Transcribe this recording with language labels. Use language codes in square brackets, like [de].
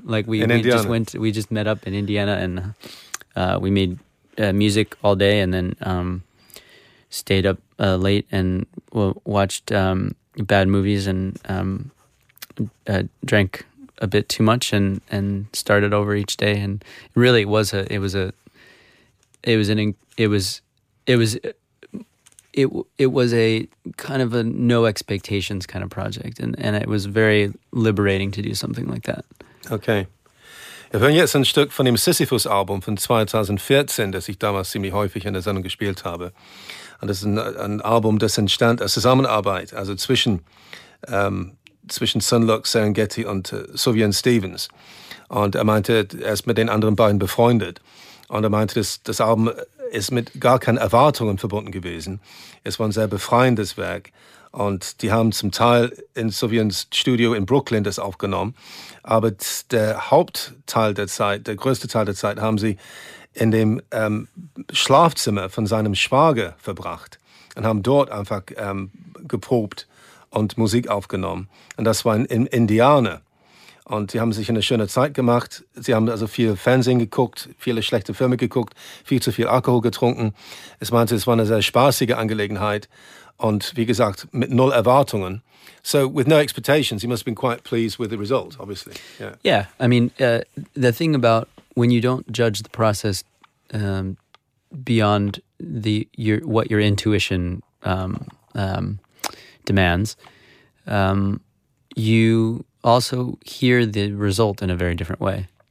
[en] Like we just met up in Indiana, and we made music all day, and then stayed up late and watched bad movies and drank a bit too much and started over each day. And really it was a kind of a no expectations kind of project, and it was very liberating to do something like that. Okay. [de] Wir hören jetzt ein Stück von dem Sisyphus Album von 2014, das ich damals ziemlich häufig in der Sendung gespielt habe. Und das ist ein Album, das entstand aus Zusammenarbeit, also zwischen Sunluck, Serengeti und Sufjan Stevens. Und er meinte, er ist mit den anderen beiden befreundet. Und er meinte, das Album ist mit gar keinen Erwartungen verbunden gewesen. Es war ein sehr befreiendes Werk. Und die haben zum Teil in Sufjans Studio in Brooklyn das aufgenommen. Aber der Hauptteil der Zeit, der größte Teil der Zeit, haben sie in dem Schlafzimmer von seinem Schwager verbracht und haben dort einfach geprobt und Musik aufgenommen. Und das war in Indiana. Und sie haben sich eine schöne Zeit gemacht. Sie haben also viel Fernsehen geguckt, viele schlechte Filme geguckt, viel zu viel Alkohol getrunken. Es meinte, es war eine sehr spaßige Angelegenheit. Und wie gesagt, mit null Erwartungen. [en] So, with no expectations, you must have been quite pleased with the result, obviously. Yeah, I mean, the thing about when you don't judge the process beyond what your intuition demands, you also hear the result in a very different way.